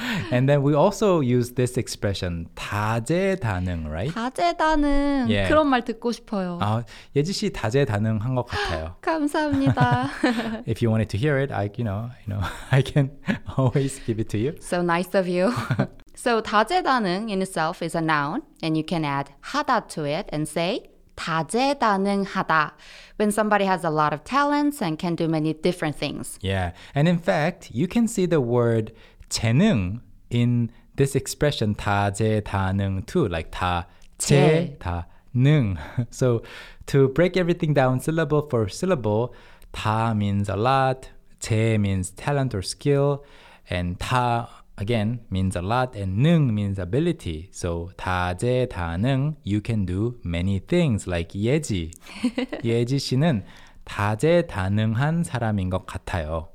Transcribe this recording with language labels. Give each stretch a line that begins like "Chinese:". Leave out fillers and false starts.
English: And then we also use this expression, 다재다능, right?
Korean: 다재다능, yeah. 그런 말 듣고 싶어요. 아, 예지 씨 다재다능한 것 같아요. 감사합니다.
English: If you wanted to hear it, I can always give it to you. So nice of you. So 다재다능 in itself is a noun, and you can add 하다 to it and say 다재다능하다, when somebody has a lot of talents and can do many different things. Yeah, and in fact, you can see the word 재능 in this expression 다재다능 too, like 다재다능. So to break everything down syllable for syllable, 다 means a lot, 재 means talent or skill, and 다 again means a lot, and 능 means ability. So 다재다능, you can do many things, like 예지.
Korean: 예지 씨는 다재다능한 사람인 것 같아요.